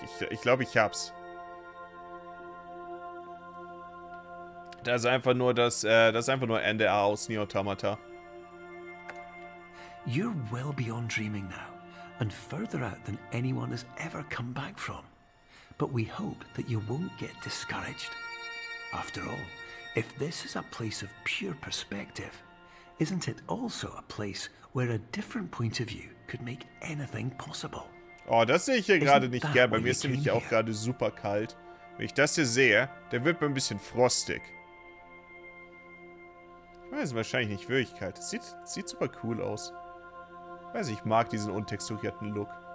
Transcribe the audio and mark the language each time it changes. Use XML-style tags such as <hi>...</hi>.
<de>Ich glaube, ich hab's. Das ist einfach nur Ende A aus Nier Automata.</de> <en>You're well beyond dreaming now, and further out than anyone has ever come back from. But we hope that you won't get discouraged. After all, if this is a place of pure perspective, isn't it also a place where a different point of view could make anything possible?</en> <de>Oh, das sehe ich hier gerade nicht gern. Bei mir ist nämlich auch gerade super kalt. Wenn ich das hier sehe, der wird mir ein bisschen frostig. Ich weiß, wahrscheinlich nicht wirklich kalt. Sieht super cool aus. Ich weiß, ich mag diesen untexturierten Look.</de>